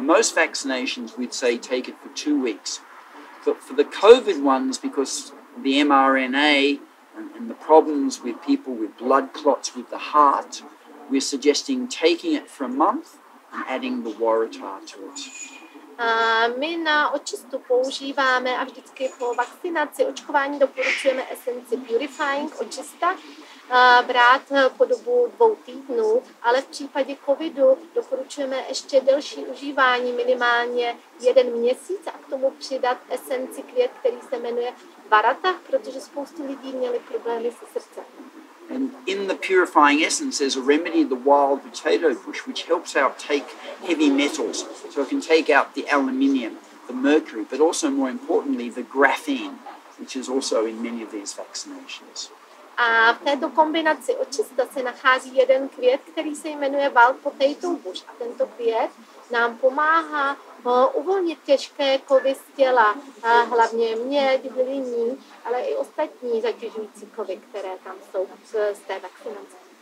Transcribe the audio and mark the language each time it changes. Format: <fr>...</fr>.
<en>For most vaccinations, we'd say take it for 2 weeks. But for the COVID ones, because the mRNA and the problems with people with blood clots with the heart, we're suggesting taking it for a month and adding the waratah to it.</en> <cs>My na očistu používáme a vždycky po vakcinaci očkování doporučujeme esenci purifying, očista, brát po dobu 2 týdnů, ale v případě covidu doporučujeme ještě delší užívání, minimálně 1 měsíc, a k tomu přidat esenci květ, který se jmenuje varata, protože spoustu lidí měli problémy se srdcem.</cs> <en>And in the purifying essence, there's a remedy, the wild potato bush, which helps out take heavy metals. So it can take out the aluminium, the mercury, but also more importantly, the graphene, which is also in many of these vaccinations.</en> <cs>A v této kombinaci očista se nachází jeden květ, který se jmenuje wild potato bush. A tento květ nám pomáhá uvolnit těžké kovy z těla, hlavně měď, hliní, ale i ostatní zatěžující kovy, které tam jsou z té vakcinace.</cs>